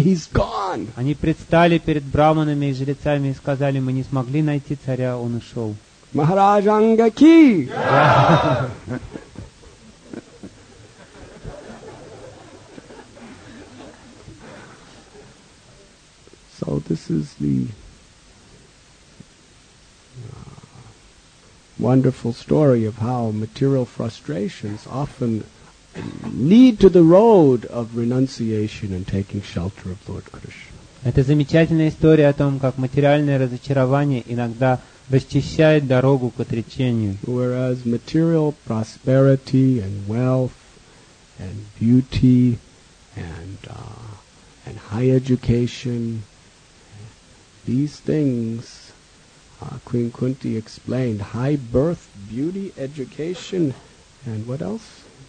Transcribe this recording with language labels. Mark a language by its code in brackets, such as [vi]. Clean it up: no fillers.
[en] He's gone. [ru] Они предстали перед браманами и жрецами и сказали: мы не смогли найти царя, он ушел. [hi] Махарадж Анга ки. [en] So this is the wonderful story of how material frustrations often lead to the road of renunciation and taking shelter of Lord Krishna. [ru] Это замечательная история о том, как материальное разочарование иногда расчищает дорогу к отречению. [en] Whereas material prosperity and wealth and beauty and high education, these things, Queen Kunti explained, high birth, beauty, education, and what else?